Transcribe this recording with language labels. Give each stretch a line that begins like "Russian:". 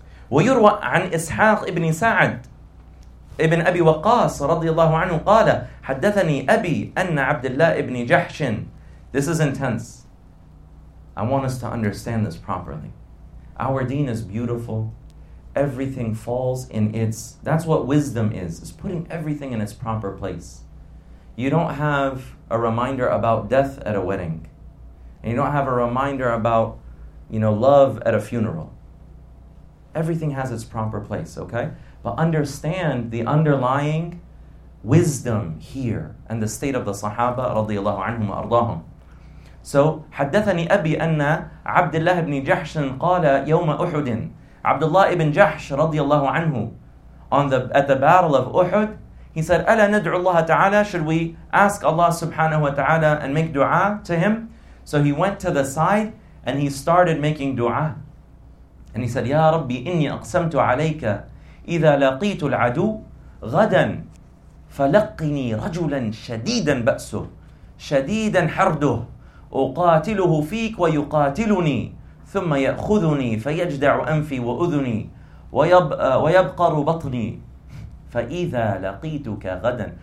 Arabic: وَيُرْوَى عَنْ إِسْحَاقِ إِبْنِ سَعَدْ Ibn Abi Waqas, radiallahu anhu, قال, حدثني أبي أن عبد الله بن جحش.
English: This is intense. I want us to understand this properly. Our deen is beautiful. Everything falls in its... That's what wisdom is. It's putting everything in its proper place. You don't have a reminder about death at a wedding. And you don't have a reminder about, you know, love at a funeral. Everything has its proper place, okay? But understand the underlying wisdom here and the state of the Sahaba radiallahu anhum wa ardahum.
Arabic: So, حدثني أبي أن عبد الله بن جحش قال يوم أحد.
English: Abdullah ibn Jahsh radiallahu anhu, at the battle of Uhud, he said,
Arabic: أَلَا نَدْعُ اللَّهَ تَعَالَى.
English: Should we ask Allah subhanahu wa ta'ala and make dua to him? So he went to the side and he started making dua.
Arabic: And he said, يَا رَبِّ إِنِّي أَقْسَمْتُ عَلَيْكَ إِذَا لَقِيتُ الْعَدُوْ غَدًا فَلَقِّنِي رَجُلًا شَدِيدًا بَأْسُهُ شَدِيدًا حَرْدُهُ أُقَاتِلُهُ فِيكْ وَيُقَاتِلُنِي ثُمَّ يَأْخُذُنِي فَيَجْدَعُ أَنْفِي وَأُذُنِي وَيَبْقَرُ بَطْنِي فَإِذَا لَقِيتُكَ غَدًا.